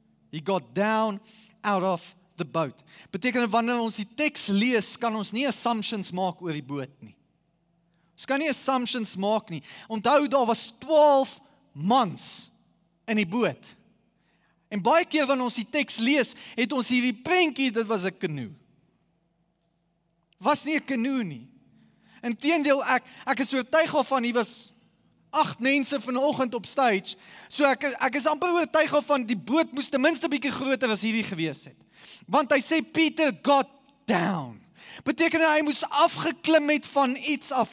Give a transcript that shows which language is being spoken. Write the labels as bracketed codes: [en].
[en] He got down out of the boat. [af] Beteken dat wanneer ons die teks lees, kan ons nie assumptions maak oor die boot nie. Ons kan nie assumptions maak nie. Onthou, daar was 12 mans in die boot. En baie keer wanneer ons die teks lees, het ons hierdie prentjie, dit was 'n kanoe. Was nie 'n kanoe nie. Inteendeel, ek is oortuig van, hier was 8 mense vanoggend op stage, so ek is amper oortuig van die boot moes ten minste bietjie groter as hierdie gewees het. Want hy sê, [en] Peter got down. [af] Beteken hy moes afgeklim het van iets af.